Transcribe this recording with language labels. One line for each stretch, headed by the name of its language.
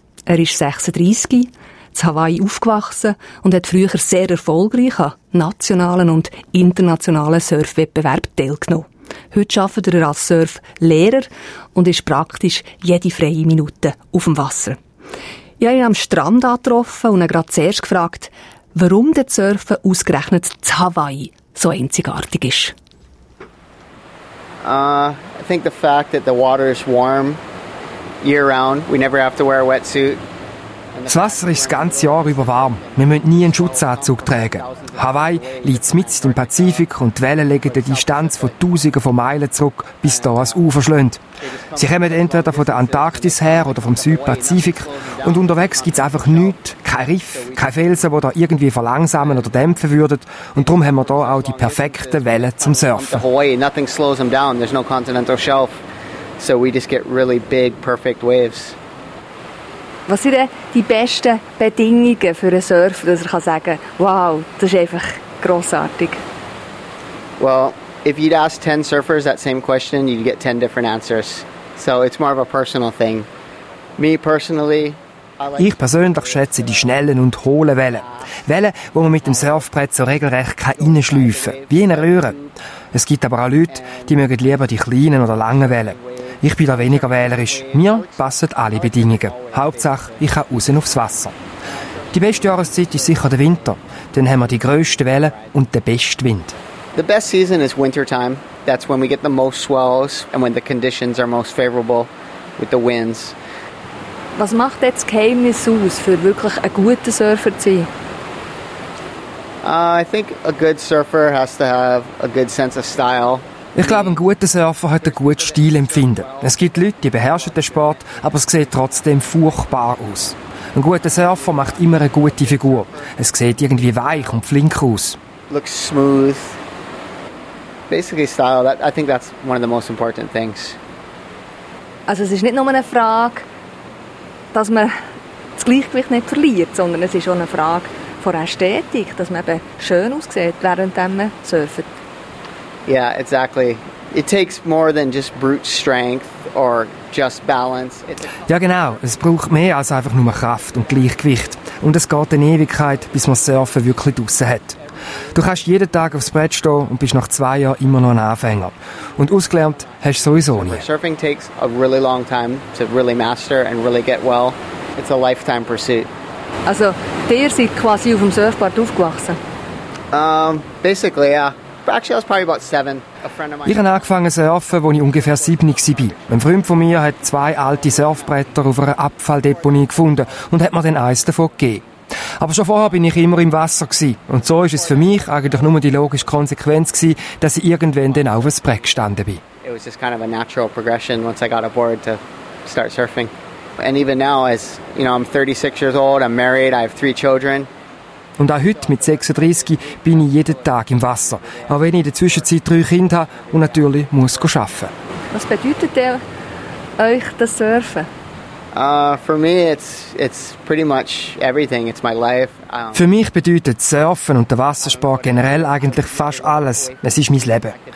German: Er ist 36, zu Hawaii aufgewachsen und hat früher sehr erfolgreich an nationalen und internationalen Surfwettbewerben teilgenommen. Heute arbeitet er als Surflehrer und ist praktisch jede freie Minute auf dem Wasser. Ich habe ihn am Strand getroffen und ihn gerade zuerst gefragt, warum das Surfen ausgerechnet zu Hawaii so einzigartig ist.
English: I think the fact that the water is warm year-round, we never have to wear a wetsuit.
German: Das Wasser ist das ganze Jahr über warm. Wir müssen nie einen Schutzanzug tragen. Hawaii liegt mitten im Pazifik und die Wellen legen die Distanz von Tausenden von Meilen zurück, bis hier ans Ufer schlägt. Sie kommen entweder von der Antarktis her oder vom Südpazifik und unterwegs gibt es einfach nichts, kein Riff, kein Felsen, die da irgendwie verlangsamen oder dämpfen würden. Und darum haben wir hier auch die perfekten Wellen zum Surfen.
English: Hawaii, nothing slows them down. There's no continental shelf. So we just get really big, perfect waves.
German: Was sind denn die besten Bedingungen für einen Surfer, dass er sagen kann, wow, das ist einfach grossartig?
English: Well, if you'd ask 10 surfers that same question, you'd get 10 different answers. So it's more of a personal thing. Me personally,
German: ich persönlich schätze die schnellen und hohlen Wellen. Wellen, wo man mit dem Surfbrett so regelrecht reinschleifen kann, wie in einer Röhre. Es gibt aber auch Leute, die mögen lieber die kleinen oder langen Wellen. Ich bin da weniger wählerisch. Mir passen alle Bedingungen. Hauptsache, ich kann raus aufs Wasser. Die beste Jahreszeit ist sicher der Winter. Dann haben wir die grössten Wellen und den besten Wind.
English: The best season is wintertime. That's when we get the most swells and when the conditions are most favorable with the winds.
German: Was macht jetzt das Geheimnis aus, für wirklich einen guten Surfer zu sein?
English: I think a good surfer has to have a good sense of style.
German: Ich glaube, ein guter Surfer hat ein gutes Stilempfinden. Es gibt Leute, die beherrschen den Sport, aber es sieht trotzdem furchtbar aus. Ein guter Surfer macht immer eine gute Figur. Es sieht irgendwie weich und flink aus.
English: Looks smooth. Basically style, that, I think that's one of the most important things.
German: Also es ist nicht nur eine Frage, dass man das Gleichgewicht nicht verliert, sondern es ist auch eine Frage von Ästhetik, dass man eben schön aussieht, während man surft.
English: Yeah, exactly. It takes more than just brute strength or just balance.
German: Ja genau, es braucht mehr als einfach nur Kraft und Gleichgewicht. Und es geht eine Ewigkeit, bis man das Surfen wirklich draussen hat. Du kannst jeden Tag aufs Brett stehen und bist nach 2 Jahren immer noch ein Anfänger. Und ausgelernt hast du sowieso nie.
English: Surfing takes a really long time to really master and really get well. It's a lifetime pursuit.
German: Also, ihr seid quasi auf dem Surfboard aufgewachsen?
English: Basically, yeah. Actually, I was probably about 7.
German: Ich habe angefangen zu surfen, als ich ungefähr 7 war. Ein Freund von mir hat 2 alte Surfbretter auf einer Abfalldeponie gefunden und hat mir dann eins davon gegeben. Aber schon vorher war ich immer im Wasser. Und so war es für mich eigentlich nur die logische Konsequenz, dass ich irgendwann dann auf dem Brett gestanden bin.
English: It was just kind of a natural progression once I got aboard to start surfing. And even now, as you know, I'm 36 years old, I'm married, I have 3 children.
German: Und auch heute mit 36 bin ich jeden Tag im Wasser. Auch wenn ich in der Zwischenzeit 3 Kinder habe und natürlich muss ich arbeiten. Was bedeutet der, euch das Surfen?
English: For me it's pretty much everything. It's my life.
German: Für mich bedeutet Surfen und der Wassersport generell eigentlich fast alles. Es ist mein Leben.